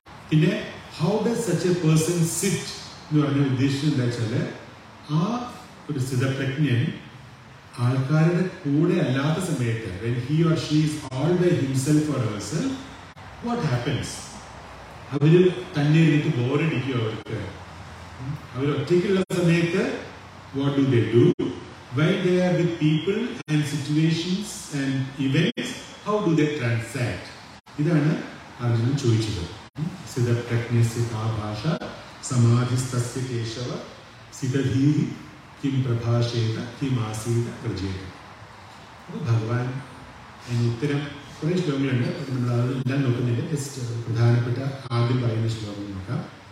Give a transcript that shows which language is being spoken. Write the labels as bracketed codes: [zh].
[ml] പിന്നെ [en] how does such a person sit [ml] എന്ന് പറഞ്ഞ ഉദ്ദേശിച്ചത് എന്താ വെച്ചാല്, ആ ഒരു സ്ഥിതപ്രജ്ഞൻ ആൾക്കാരുടെ കൂടെ അല്ലാത്ത സമയത്ത് [en] when he or she is all by himself or herself, what happens? [ml] അവര് തന്നെ ഇരുന്നിട്ട് ബോറടിക്കും അവർക്ക്. അവരൊറ്റയ്ക്കുള്ള സമയത്ത് [en] what do they do? While they are with people and situations and events, how do they transact? [ml] ഇതാണ് അർജുനൻ ചോദിച്ചത്. [sa] സ്ഥിതപ്രജ്ഞസ്യ കാ ഭാഷ സമാധിസ്ഥസ്യ കേശവ സ്ഥിതധീഹി കിം പ്രഭാഷേത കിം ആസീത പ്രജേത. [ml] അപ്പോൾ ഭഗവാൻ അതിന് ഉത്തരം കുറേ ശ്ലോകങ്ങളുണ്ട്, അത് നമ്മൾ അതെല്ലാം നോക്കുന്നില്ല. ജസ്റ്റ് പ്രധാനപ്പെട്ട ആദ്യം പറയുന്ന ശ്ലോകം നോക്കാം.